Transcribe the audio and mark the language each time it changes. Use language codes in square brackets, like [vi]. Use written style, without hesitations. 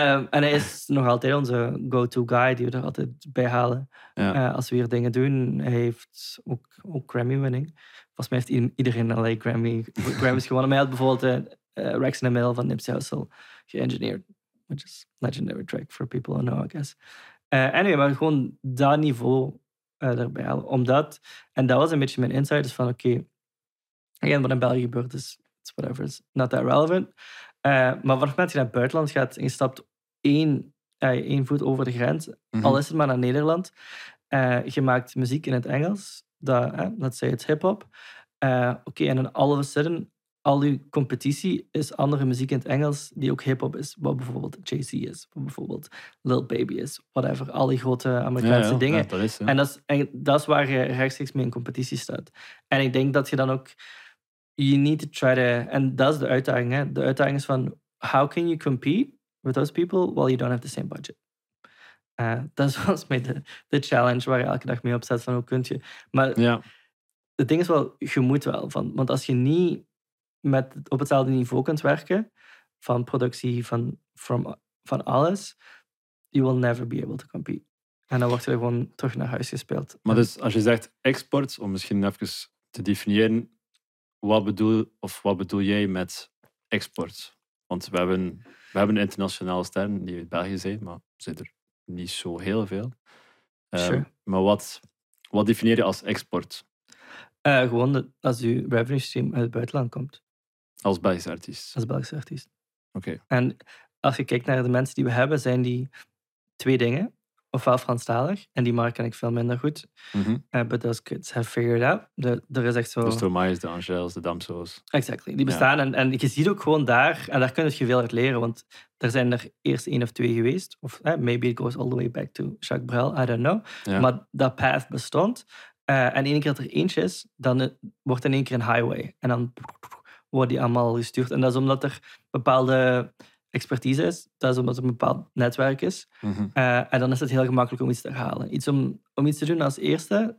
[nl] En hij is nog altijd onze go-to guy die we er altijd bij halen als we hier dingen doen. Hij heeft ook Grammy winning. Volgens mij heeft iedereen alleen Grammy's gewonnen. Maar hij had bijvoorbeeld Rex in the Middle van Nipsey Hussle geëngineerd. [en] which is legendary track for people who know, I guess. [nl] Anyway, maar gewoon dat niveau erbij halen. Omdat, en dat was een beetje mijn insight, is van oké, again, wat in België gebeurt is, [en] it's whatever, it's not that relevant. [nl] Maar vanaf het moment dat je naar het buitenland gaat en je stapt één voet over de grens, mm-hmm. al is het maar naar Nederland, je maakt muziek in het Engels, [en] let's say it's hip-hop. [nl] Oké, en dan [en] all of a sudden, [nl] al je competitie is andere muziek in het Engels die ook hip-hop is. Wat bijvoorbeeld Jay-Z is, wat bijvoorbeeld Lil Baby is, whatever. Al die grote Amerikaanse dingen. Ja, dat is, en dat is waar je rechtstreeks mee in competitie staat. En ik denk dat je dan ook, [en] you need to try to, [nl] en dat is de uitdaging. Hè? De uitdaging is van, [en] how can you compete with those people while you don't have the same budget? [nl] Dat is volgens mij de challenge waar je elke dag mee opzet van hoe kun je. Maar het ding is wel, je moet wel. Want als je niet op hetzelfde niveau kunt werken van productie, van alles, [en] you will never be able to compete. [nl] En dan wordt er gewoon terug naar huis gespeeld. Maar dus als je zegt export, om misschien even te definiëren, wat bedoel jij met export? Want we hebben internationale sterren die uit België zijn, maar zijn er niet zo heel veel. [en] Sure. [nl] Maar wat definieer je als export? Gewoon als je revenue stream uit het buitenland komt. Als Belgische artiest? Als Belgische artiest. Oké. Okay. En als je kijkt naar de mensen die we hebben, zijn die twee dingen. Ofwel Franstalig, en die markt ken ik veel minder goed. Mm-hmm. [en] But those kids have figured out. [nl] Er is echt zo... De Stromae's, de Angels, de Damso's. [en] Exactly. [nl] Die bestaan. [en] Yeah. [nl] En je ziet ook gewoon daar, en daar kun je veel uit leren, want er zijn er eerst één of twee geweest. [en] Of maybe it goes all the way back to Jacques Brel, I don't know. Yeah. [nl] Maar dat path bestond. En één keer dat er eentje is, dan wordt in één keer een highway. En dan worden die allemaal gestuurd. En dat is omdat er bepaalde expertise is. Dat is omdat er een bepaald netwerk is. Mm-hmm. En dan is het heel gemakkelijk om iets te halen. Iets om iets te doen als eerste.